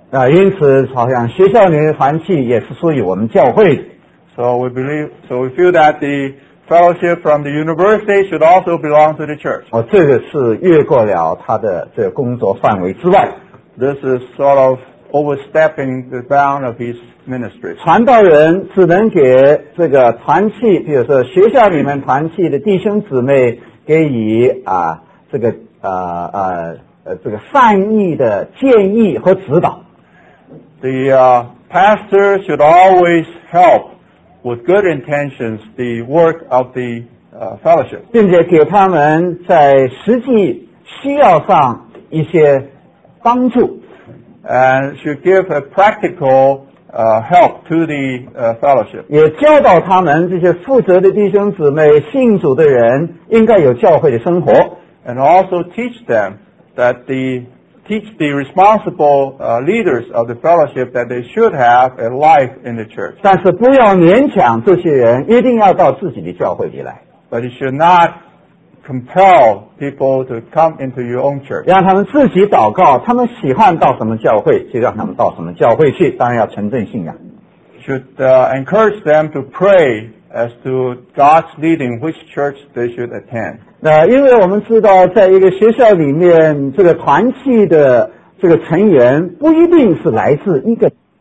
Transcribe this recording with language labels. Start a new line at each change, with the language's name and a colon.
Chinese: 因此好像学校里的团契也是属于我们教会的。
English: So we feel that the fellowship from the university should also belong to the church.
Chinese: 这个是越过了他的这个工作范围之外。
English: This is sort of overstepping the bound of his ministry.
Chinese: 传道人只能给这个团契，比如说学校里面团契的弟兄姊妹，给予这个善意的建议和指导。
English: The pastor should always help. With good intentions, the work of the fellowship.
Chinese: 并且给他们在实际需要上一些帮助。
English: And should give a practical help to the fellowship.
Chinese: 也教导他们这些负责的弟兄姊妹、信主的人应该有教会的生活。
English: And also teach them that teach the responsible leaders of the fellowship that they should have a life in the church.
Chinese: 但是不要勉强这些人一定要到自己的教会里来。
English: But you should not compel people to come into your own church.
Chinese: 让他们自己祷告，他们喜欢到什么教会就让他们到什么教会去，当然要纯正信仰。
English: Should encourage them to pray as to God's leading which church they should attend.
Chinese: 因为我们知道在一个学校里面这个团契的这个成员不一定是来自一个